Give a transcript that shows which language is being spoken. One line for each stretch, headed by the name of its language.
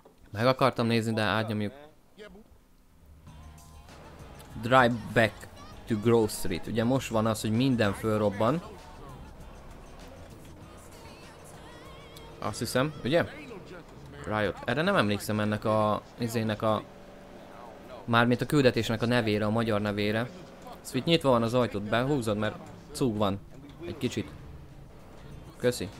Hungarian: Meg akartam nézni, de átnyomjuk.
English: Drive back to Grove Street.
Hungarian: Ugye most van az, hogy minden fölrobban. Azt hiszem, ugye? Riot. Erre nem emlékszem ennek a... izének a... mármint a küldetésnek a nevére, a magyar nevére. Szóval nyitva van az ajtót, behúzod, mert cúg van. Egy kicsit. Köszi.